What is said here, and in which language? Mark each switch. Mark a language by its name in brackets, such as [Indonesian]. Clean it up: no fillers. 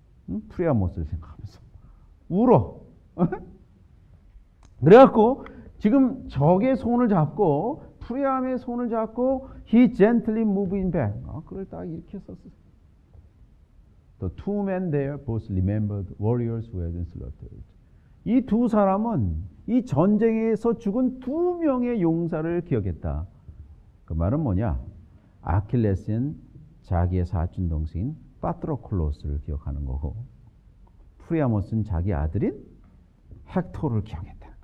[Korean] 응? 프리아모스를 생각하면서 울어. 그래갖고 지금 적의 손을 잡고 프리암의 손을 잡고 [English] he gently moved in back. [Korean] 아, 그걸 딱 이렇게 썼어요. [English] The two men there both remembered warriors who had been slaughtered. [Korean] 이 두 사람은 이 전쟁에서 죽은 두 명의 용사를 기억했다. 그 말은 뭐냐? 아킬레스는 자기의 사촌 동생인 파트로클로스를 기억하는 거고 프리아모스는 자기 아들인 헥토르를 기억했다.